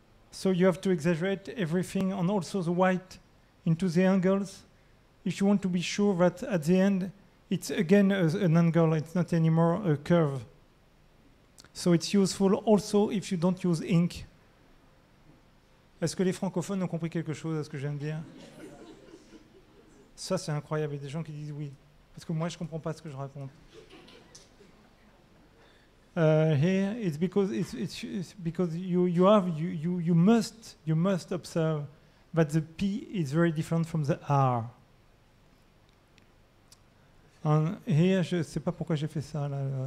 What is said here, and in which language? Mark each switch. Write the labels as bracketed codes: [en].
[en] So you have to exaggerate everything and also the white into the angles, if you want to be sure that at the end, it's again an angle, it's not anymore a curve. So it's useful also if you don't use ink. [fr] Est-ce que les francophones ont compris quelque chose à ce que je viens de dire? Ça, c'est incroyable. Il y a des gens qui disent oui. Parce que moi, je ne comprends pas ce que je raconte. [en] Here, it's because you must observe that the P is very different from the R. And here, [fr] je ne sais pas pourquoi j'ai fait ça. Là.